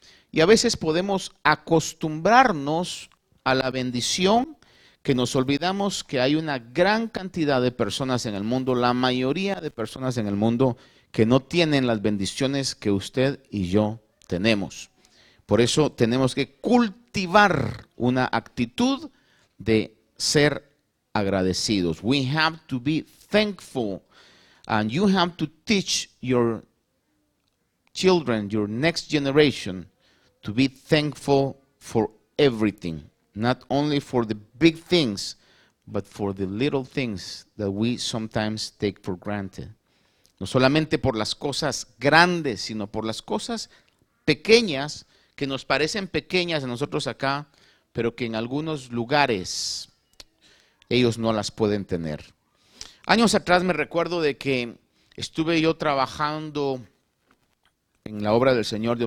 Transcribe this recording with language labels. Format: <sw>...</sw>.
<es>Y a veces podemos acostumbrarnos a la bendición, que nos olvidamos que hay una gran cantidad de personas en el mundo, la mayoría de personas en el mundo, que no tienen las bendiciones que usted y yo tenemos. Por eso tenemos que cultivar una actitud de ser agradecidos.</es> <en>We have to be thankful, and you have to teach your children, your next generation, to be thankful for everything. Not only for the big things, but for the little things that we sometimes take for granted.</en> <es>No solamente por las cosas grandes, sino por las cosas pequeñas, que nos parecen pequeñas a nosotros acá, pero que en algunos lugares ellos no las pueden tener. Años atrás me recuerdo de que estuve yo trabajando en la obra del Señor.</es>